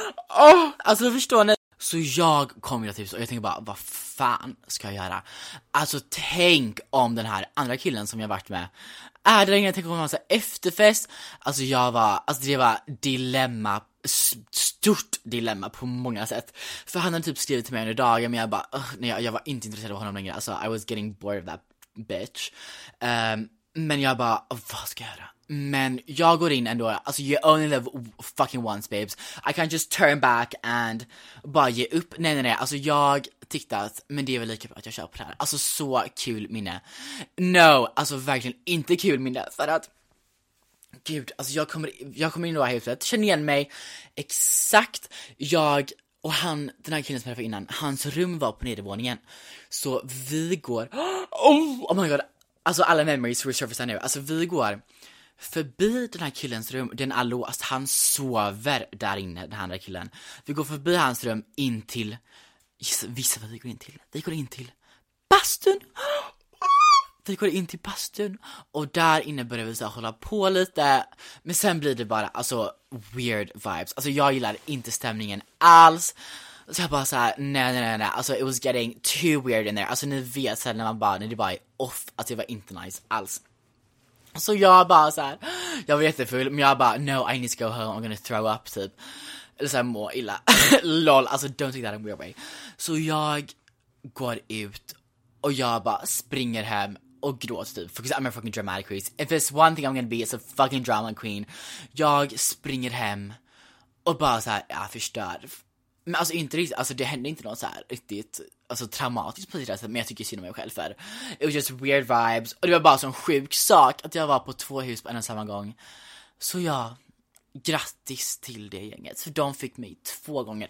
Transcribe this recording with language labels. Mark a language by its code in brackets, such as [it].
[sv] Oh, alltså förstår ni? Så jag kommer till huset och jag tänker bara, vad fan ska jag göra? Alltså tänk om den här andra killen som jag varit med är det ingen, tänk om han så efterfest. Alltså jag var, alltså det var dilemma, stort dilemma på många sätt. För han hade typ skrivit till mig under dagen, men jag bara, nej, jag var inte intresserad av honom längre. [en] Alltså I was getting bored of that bitch. [sv] Men jag bara, vad ska jag göra? Men jag går in ändå. Alltså [en] you only live fucking once, babes. I can't just turn back and [sv] bara ge upp. Nej, nej, nej. Alltså jag tyckte att, men det är väl lika bra att jag kör på det här. Alltså så kul minne. No, alltså verkligen inte kul minne. För att, gud, alltså jag kommer in i det här huset. Känner igen mig exakt. Jag och han, den här killen som jag var innan, hans rum var på nedervåningen. Så vi går, [en] oh my god. [sv] Alltså alla memories resurfacear nu. Alltså vi går förbi den här killens rum. Den är låst, han sover där inne, den andra killen. Vi går förbi hans rum in till, gissa vad vi går in till. Vi går in till bastun. vi går in till bastun. Och där inne börjar vi så hålla på lite. Men sen blir det bara, alltså, [en] weird vibes. [sv] Alltså jag gillar inte stämningen alls. Så jag bara såhär, nej. [en] Alltså it was getting too weird in there. [sv] Alltså ni vet såhär när man bara, när det bara är off. Alltså det var inte nice alls. Så jag bara såhär, jag var jättefull. [en] Men jag bara, no, I need to go home. I'm gonna throw up typ. [sv] Eller såhär må illa. [en] Lol, [sv] alltså [en] don't take that in weird way. [sv] Så jag går ut. Och jag bara springer hem och gråter typ. [en] Because I'm a fucking dramatic queen. If there's one thing I'm gonna be, it's a fucking drama queen. [sv] Jag springer hem. Och bara såhär, ja förstör. Men alltså inte riktigt, alltså det hände inte något så här riktigt, alltså traumatiskt på det sättet. Men jag tycker synd om mig själv för [en] it was just weird vibes. [sv] Och det var bara sån sjuk sak att jag var på två hus på en och samma gång. Så ja, grattis till det gänget. För de fick mig två gånger.